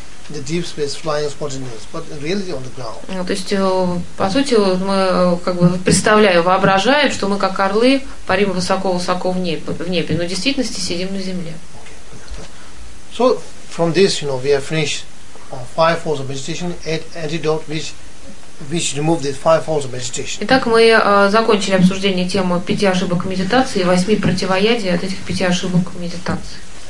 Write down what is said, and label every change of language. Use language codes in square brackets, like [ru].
[en] The deep space flying spontaneous, but really on the ground. [ru] То есть, по сути, мы как бы представляем, воображаем, что мы как орлы парим высоко-высоко в небе, но в действительности сидим на земле. [en] Okay. So from this, you know, we have finished five forms of meditation, eight antidote, which remove these five forms of meditation. [ru] Итак, мы закончили обсуждение темы пяти ошибок медитации и восьми противоядий от этих пяти ошибок медитации.